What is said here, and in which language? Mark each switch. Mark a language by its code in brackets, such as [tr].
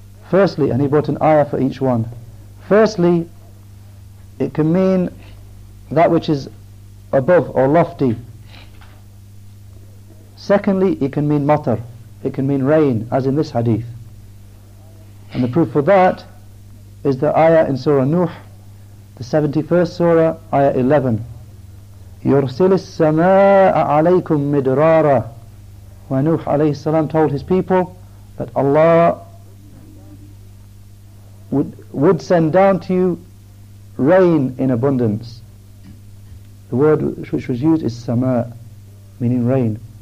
[en] Firstly, and he brought an ayah for each one. Firstly, it can mean that which is above or lofty. Secondly, it can mean matar, it can mean rain, as in this hadith. And the proof for that is the ayah in Surah Nuh, the 71st surah, ayah 11. [ar] يرسل السماء عليكم مدرارا. [en] When Nuh alayhi salam told his people that Allah would send down to you rain in abundance, the word which was used is sama, meaning rain.